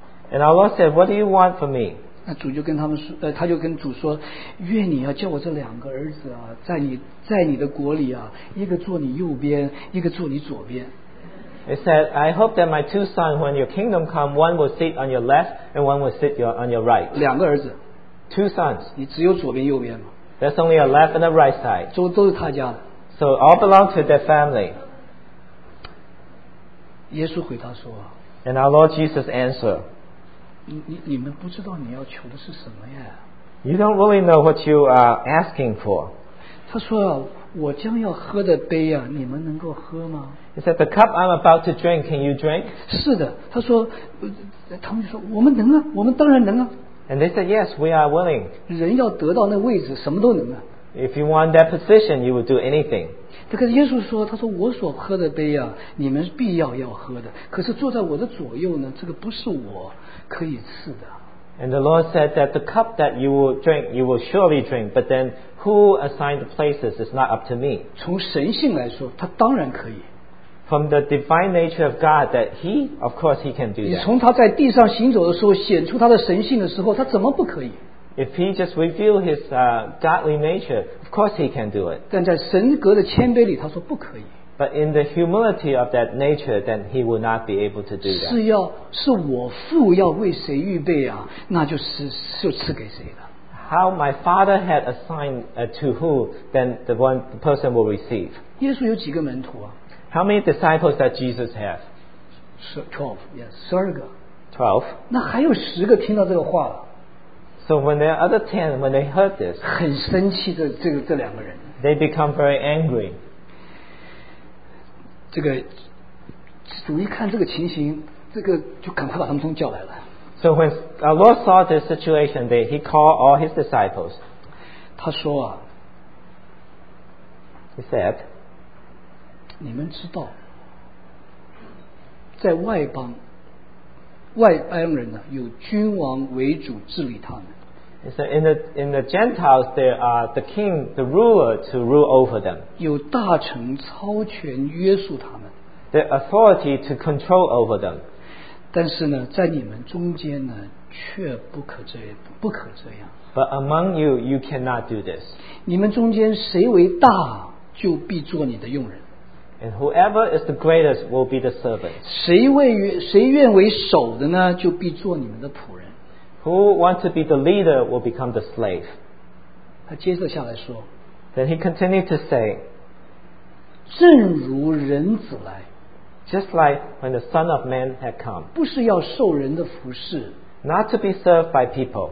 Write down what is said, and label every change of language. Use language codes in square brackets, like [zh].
[en] And our Lord said, what do you want from me? [zh] 那主就跟他们说， 他就跟主说， 愿你叫我这两个儿子啊， 在你的国里啊， 一个坐你右边， 一个坐你左边。 [en] It said, I hope that my two sons, when your kingdom come, one will sit on your left and one will sit on your right. [zh] 两个儿子, [en] two sons. [zh] 你只有左边右边吗? [en] There's only a left and a right side. [zh] 都是他家的, [en] so all belong to their family. [zh] 耶稣回答说, [en] and our Lord Jesus answered, [zh] 你们不知道你要求的是什么呀? [en] You don't really know what you are asking for. [zh] 他说, 我将要喝的杯啊, 你们能够喝吗? [en] He said, the cup I'm about to drink, can you drink? [zh] 是的, 他说, 他们就说, 我们能啊, 我们当然能啊。 [en] And they said, yes, we are willing. [zh] 人要得到那位置, 什么都能啊。 [en] If you want that position, you will do anything. [zh] 可是耶稣说, 他说, 我所喝的杯啊, 你们必要要喝的, 可是坐在我的左右呢, 这个不是我可以吃的。 [en] And the Lord said that the cup that you will drink, you will surely drink, but then who assigned the places is not up to me. [zh] 从神性来说, 他当然可以。 [en] From the divine nature of God, that He, of course, He can do that. [zh] 你从他在地上行走的时候, 显出他的神性的时候, 他怎么不可以? [en] If He just revealed His godly nature, of course He can do it. [zh] 但在神格的谦卑里, 他说不可以。 [en] But in the humility of that nature, then he will not be able to do that. [zh] 是我父要为谁预备啊, 那就是赐给谁的。 [en] How my father had assigned to who, then the person will receive. [zh] 耶稣有几个门徒啊? [en] How many disciples that Jesus have? [zh] 12个。 [en] 12? [zh] 那还有10个听到这个话。 [en] So when the other 10, when they heard this, [zh] 很生气的这两个人。 [en] They become very angry. [zh] 这个主一看这个情形，这个就赶快把他们都叫来了。So [en] when our Lord saw this situation, he called all his disciples. [zh] 他说啊, [en] he said, [zh] 你们知道, 在外邦, 外邦人呢, 有君王为主治理他们。 [en] He said, in the Gentiles, there are the king, the ruler, to rule over them. [zh] 有大臣超权约束他们。 [en] The authority to control over them. [zh] 但是呢, 在你们中间呢, 却不可这样。 [en] But among you, you cannot do this. [zh] 你们中间谁为大, 就必做你的用人。 [en] And whoever is the greatest will be the servant. [zh] 谁愿为首的呢, 就必做你们的仆人。 [en] Who wants to be the leader will become the slave. [zh] 他接着下来说, [en] then he continued to say, [zh] 正如人子来, [en] just like when the Son of Man had come, [zh] 不是要受人的服侍, not to be served by people,